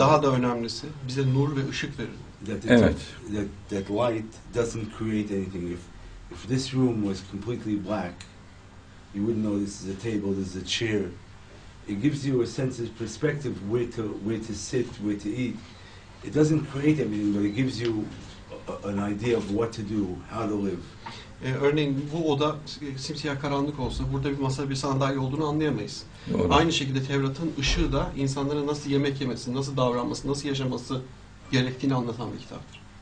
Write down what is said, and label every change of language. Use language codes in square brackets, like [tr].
[tr] daha da önemlisi bize nur ve ışık verir. Evet. [en] That light doesn't create anything. If this room was completely black, you wouldn't know this is a table, this is a chair. It gives you a sense of perspective where to sit, where to eat. It doesn't create anything, but it gives you an idea of what to do, how to live. [tr] Örneğin bu oda simsiyah karanlık olsa burada bir masa, bir sandalye olduğunu anlayamayız. Doğru. Aynı şekilde Tevrat'ın ışığı da insanların nasıl yemek yemesi, nasıl davranması, nasıl yaşaması gerektiğini anlatan bir kitaptır.